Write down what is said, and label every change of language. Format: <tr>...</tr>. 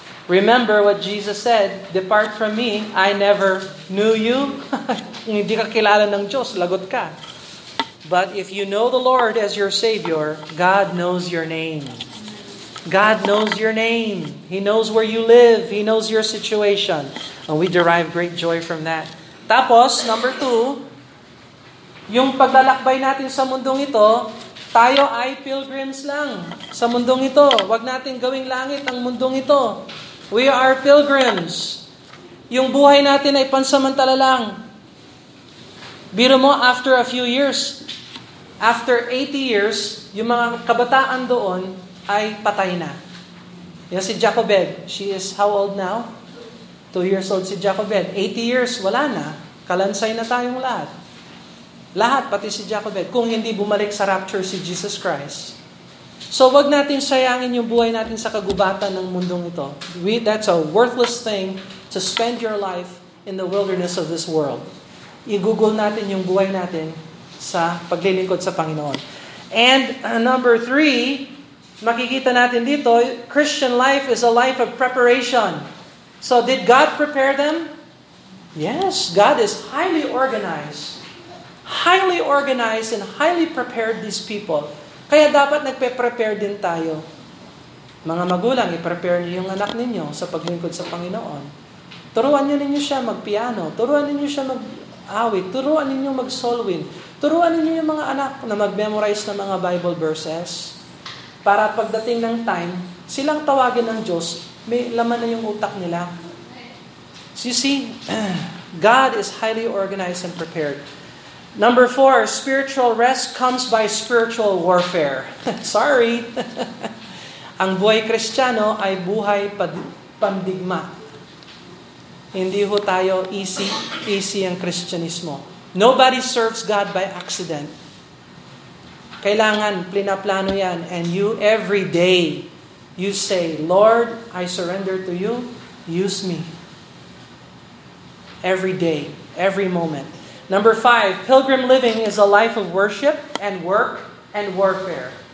<en>Remember what Jesus said, depart from me, I never knew you.</en> <tl>Kung hindi ka kilala ng Diyos, lagot ka.</tl> <en>But if you know the Lord as your Savior, God knows your name. God knows your name. He knows where you live. He knows your situation. And we derive great joy from that.</en> <tl>Tapos, number two, yung paglalakbay natin sa mundong ito, tayo ay pilgrims lang sa mundong ito. Huwag natin gawing langit ang mundong ito.</tl> <en>We are pilgrims.</en> <tl>Yung buhay natin ay pansamantala lang. Biro mo,</tl> <en>after a few years, after 80 years,</en> <tl>yung mga kabataan doon, ay patay na. Yung si</tl> <en>Jacobed, she is how old now? 2 years old</en> <tl>si Jacobed. 80 years, wala na. Kalansay na tayong lahat. Lahat, pati si Jacobed. Kung hindi bumalik sa rapture si Jesus Christ. So wag natin sayangin yung buhay natin sa kagubatan ng mundong ito.</tl> <en>That's a worthless thing to spend your life in the wilderness of this world.</en> <tl>I-google natin yung buhay natin sa paglilingkod sa Panginoon.</tl> <en>And number three,</en> <tl>makikita natin dito,</tl> <en>Christian life is a life of preparation. So did God prepare them? Yes, God is highly organized. Highly organized and highly prepared these people.</en> <tl>Kaya dapat nagpe-prepare din tayo. Mga magulang, i-prepare niyo yung anak ninyo sa paglingkod sa Panginoon. Turuan niyo ninyo siya mag-piano. Turuan niyo siya mag awit, turuan ninyo mag-solwin. Turuan ninyo yung mga anak na mag-memorize ng mga Bible verses para pagdating ng time, silang tawagin ng Diyos, may laman na yung utak nila.</tl> <en>So you see, God is highly organized and prepared. Number four, spiritual rest comes by spiritual warfare. Sorry.</en> <tl>Ang buhay Kristiyano ay buhay pandigma. Hindi ho tayo easy ang Kristiyanismo.</tl> <en>Nobody serves God by accident.</en> <tl>Kailangan, plinaplano yan.</tl> <en>And you, every day, you say, Lord, I surrender to you. Use me. Every day, every moment. Number five, pilgrim living is a life of worship and work and warfare.</en>